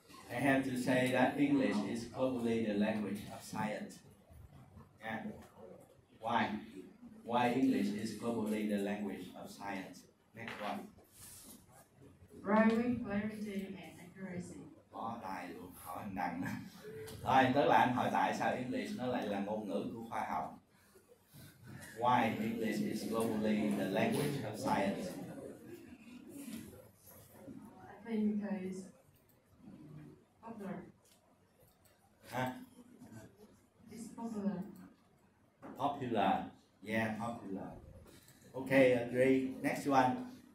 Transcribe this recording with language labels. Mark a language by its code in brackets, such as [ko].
[en] I have to say that English is probably the language of science. Yeah. Why? Why English is probably the language of science? Next one. Writing clarity and accuracy. [vi] Bỏ tài luôn, khỏi anh đăng. Rồi, tức là anh hỏi tại sao English nó lại là ngôn ngữ của khoa học. [en] Why English is globally the language of science? I think because popular. Huh? It's popular. Popular. Yeah, popular. Okay, agree. Next one.